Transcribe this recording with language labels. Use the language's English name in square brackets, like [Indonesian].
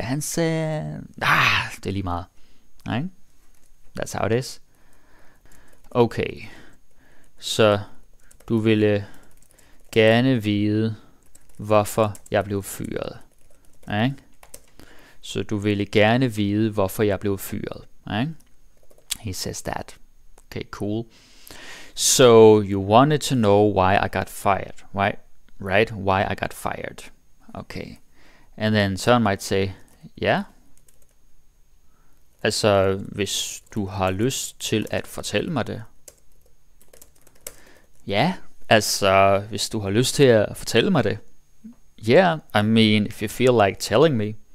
[Danish] Han sagde, ah, det er lige meget. [English] Right? That's how it is. Okay. [Danish] Så du ville gerne vide, hvorfor jeg blev fyret. [English] Right? [Danish] Så du ville gerne vide, hvorfor jeg blev fyret. [English] Right? He says that. Okay, cool. So you wanted to know why I got fired, right? Right? Why I got fired. Okay. And then someone might say, yeah. [Danish] Altså, hvis du har lyst til at fortælle mig det. Ja, altså, hvis du har lyst til at fortælle mig det. [English] Yeah, I mean, if you feel like telling me.